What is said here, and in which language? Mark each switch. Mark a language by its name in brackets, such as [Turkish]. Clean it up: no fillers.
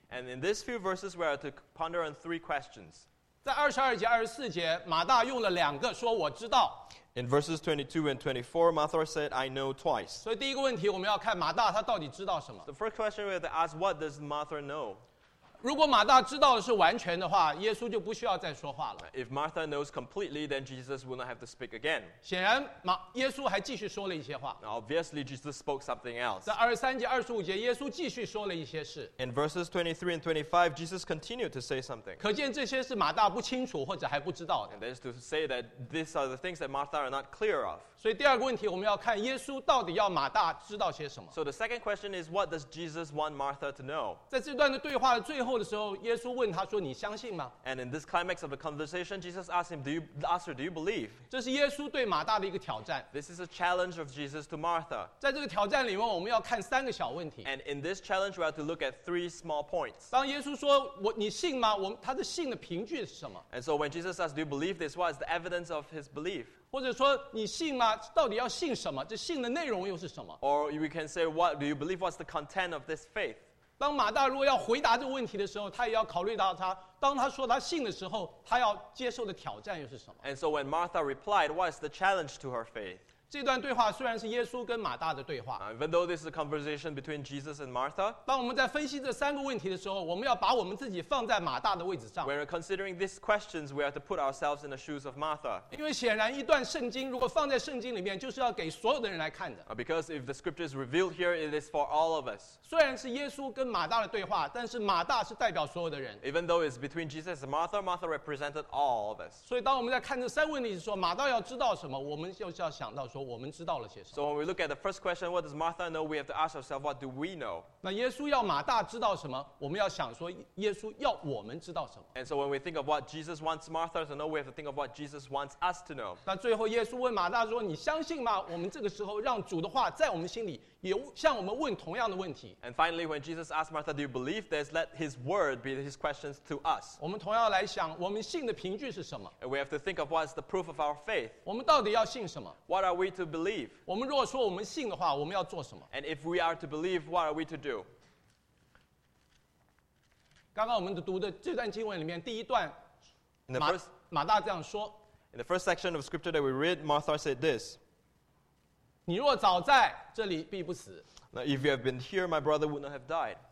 [English] And in these few verses, we are to ponder on three questions. [Chinese] 在二十二节、二十四节，马大用了两个说我知道。 [English] In verses 22 and 24, Martha said, "I know" twice. [Chinese] 所以第一个问题，我们要看马大他到底知道什么。 [English] The first question we have to ask: What does Martha know? [Chinese] 如果马大知道的是完全的话，耶稣就不需要再说话了。 [English] If Martha knows completely, then Jesus will not have to speak again. [Chinese] 显然，耶稣还继续说了一些话。 [English] Obviously, Jesus spoke something else. [Chinese] 在二十三节、二十五节，耶稣继续说了一些事。 [English] In verses 23 and 25, Jesus continued to say something. [Chinese] 可见这些是马大不清楚或者还不知道的。 [English] And that is to say that these are the things that Martha are not clear of. [Chinese] 所以第二个问题，我们要看耶稣到底要马大知道些什么。 [English] So the second question is, what does Jesus want Martha to know? [Chinese] 在这段的对话的最后。后的时候，耶稣问他说：“你相信吗？” [English] And in this climax of the conversation, Jesus asked him, "Do you believe?" [Chinese] 这是耶稣对马大的一个挑战。 [English] This is a challenge of Jesus to Martha. [Chinese] 在这个挑战里面，我们要看三个小问题。 [English] And in this challenge, we have to look at three small points. [Chinese] 当耶稣说我你信吗？我他的信的凭据是什么 [English] ？And so when Jesus asked, "Do you believe this?" What is the evidence of his belief? [Chinese] 或者说你信吗？到底要信什么？这信的内容又是什么 [English] ？Or we can say, "What do you believe? What's the content of this faith?" [Chinese] 当马大如果要回答这个问题的时候，他也要考虑到他当他说他信的时候，他要接受的挑战又是什么 [English] ？And so when Martha replied, what is the challenge to her faith? [Chinese] 这段对话虽然是耶稣跟马大的对话 [English] ，Even though this is a conversation between Jesus and Martha， [Chinese] 当我们在分析这三个问题的时候，我们要把我们自己放在马大的位置上。 [English] When we're considering these questions, we have to put ourselves in the shoes of Martha. [Chinese] 因为显然一段圣经如果放在圣经里面，就是要给所有的人来看的。 [English] Because if the scripture is revealed here, it is for all of us. [Chinese] 虽然是耶稣跟马大的对话，但是马大是代表所有的人。 [English] Even though it's between Jesus and Martha, Martha represented all of us. [Chinese] 所以当我们在看这三个问题的时候，马大要知道什么，我们就是要想到说。 [English] So when we look at the first question, what does Martha know? We have to ask ourselves, what do we know? [Chinese] 那耶稣要马大知道什么？我们要想说，耶稣要我们知道什么 [English] ？And so when we think of what Jesus wants Martha to know, we have to think of what Jesus wants us to know. [Chinese] 那最后，耶稣问马大说：“你相信吗？” 我们这个时候让主的话在我们心里也向我们问同样的问题。 [English] And finally, when Jesus asked Martha, "Do you believe this?" Let His word be His questions to us. [Chinese] 我们同样来想，我们信的凭据是什么 [English] ？And we have to think of what is the proof of our faith. [Chinese] 我们到底要信什么 [English] ？What are we to believe? [Chinese] 我们如果说我们信的话，我们要做什么 [English] ？And if we are to believe, what are we to do? [Chinese] 刚刚我们读的这段经文里面，第一段，马大这样说。 [English] In the first section of scripture that we read, Martha said this. [Chinese] 你若早在这里，必不死。 [English] Now, if you have been here, my brother would not have died.